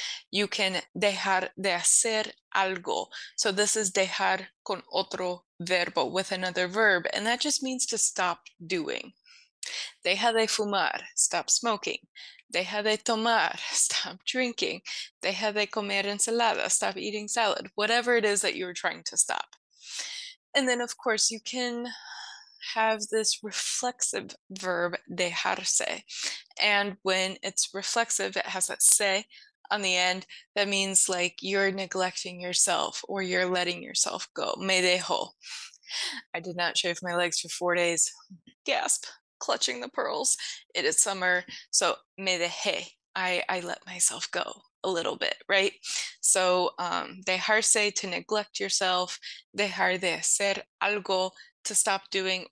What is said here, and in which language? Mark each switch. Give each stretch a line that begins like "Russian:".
English: You can
Spanish: dejar de hacer algo.
English: So this is
Spanish: dejar con otro verbo,
English: with another verb, and that just means to stop doing.
Spanish: Deja de fumar,
English: stop smoking.
Spanish: Deja de tomar,
English: stop drinking.
Spanish: Deja de comer ensalada,
English: stop eating salad. Whatever it is that you're trying to stop. And then, of course, you can have this reflexive verb, dejarse. And when it's reflexive, it has that se on the end. That means like you're neglecting yourself or you're letting yourself go.
Spanish: Me dejo.
English: I did not shave my legs for 4 days. Gasp. Clutching the pearls. It is summer. So
Spanish: me dejé.
English: I let myself go a little bit, right? So dejarse, to neglect yourself.
Spanish: Dejar de hacer algo,
English: to stop doing.